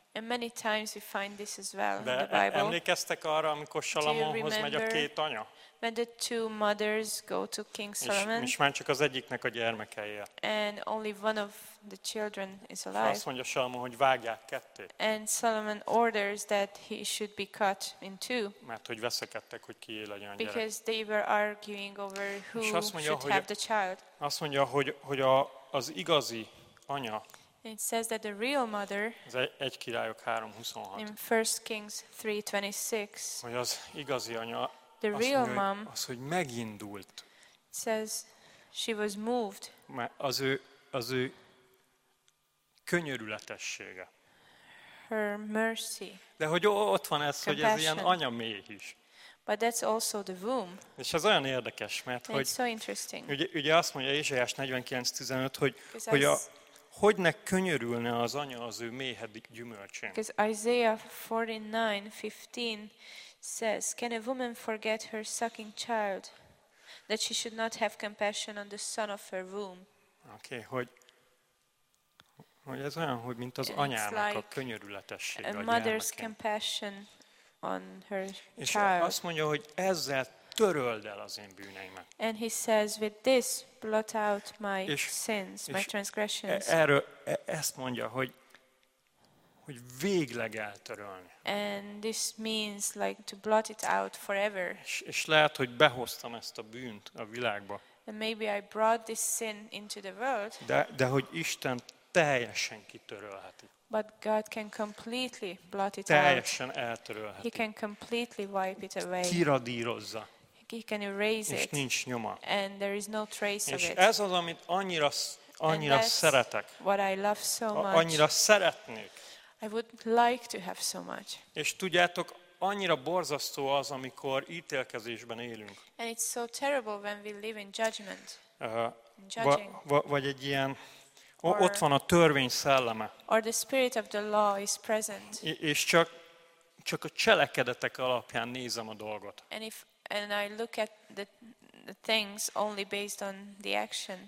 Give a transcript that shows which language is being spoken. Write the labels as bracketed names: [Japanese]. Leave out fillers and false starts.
[English] And many times we find this as well [Hungarian] de [English] in the Bible. [Hungarian] Emlékeztek arra, amikor Salamonhoz megy a két anya? [English] When the two mothers go to King Solomon. [Hungarian] És már csak az egyiknek a gyermeke él. [English] And only one of the children is alive. [Hungarian] Azt mondja Salamon, hogy vágják ketté. [English] And Solomon orders that he should be cut in two. [Hungarian] Mert hogy veszekedtek, hogy ki él legyen a gyerek. [English] Because they were arguing over who should have the child. [Hungarian] Azt mondja, hogy az igazi anya. [English] It says that the real mother. [Hungarian] Ez egy királyok 3:26. [English] In 1 Kings 3:26. [Hungarian] Hogy az igazi anya. [English] The real mom. [Hungarian] Az, hogy megindult. [English] It says she was moved. [Hungarian] Az ő könyörületessége. [English] Her mercy. [Hungarian] De hogy ott van ez, [English] compassion. [Hungarian] Hogy ez ilyen anya méh is. [English] But that's also the womb. [Hungarian] És ez olyan érdekes, mert [English] it's [Hungarian] hogy [English] so interesting. [Hungarian] Ugye azt mondja Ézsaiás 49:15, hogy ne könyörülne az anya az ő méhedik gyümölcsén. [English] Because Isaiah 49:15 says, can a woman forget her sucking child that she should not have compassion on the son of her womb? [Hungarian] Okay, hogy ez olyan, hogy mint az anyának [English] like [Hungarian] a könyörületessége [English] a mother's compassion on her child. [Hungarian] És azt mondja, hogy ezzel töröld el az én bűneimet. [English] And he says, with this blot out my sins, my transgressions. [Hungarian] Erről ezt mondja, hogy végleg eltörölni. [English] And this means like to blot it out forever. [Hungarian] És lehet, hogy behoztam ezt a bűnt a világba. [English] And maybe I brought this sin into the world. [Hungarian] De hogy Isten teljesen kitörölheti. [English] But God can completely blot it [Hungarian] teljesen [English] out. [Hungarian] Teljesen eltörölheti. [English] He can completely wipe it away. [Hungarian] Kiradírozza. [English] He can erase [Hungarian] és [English] it. [Hungarian] És nincs nyoma. [English] And there is no trace [Hungarian] és [English] of it. [Hungarian] És ez az, amit annyira Annyira szeretek. [English] What I love so much. [Hungarian] Annyira szeretnék. [English] I would like to have so much. [Hungarian] És tudjátok, annyira borzasztó az, amikor ítélkezésben élünk. [English] And it's so terrible when we live in judgment. [Hungarian] Vagy egy ilyen ott van a törvény szelleme. [English] Or the spirit of the law is present. [Hungarian] És csak a cselekedetek alapján nézem a dolgot. [English] And I look at the things only based on the action.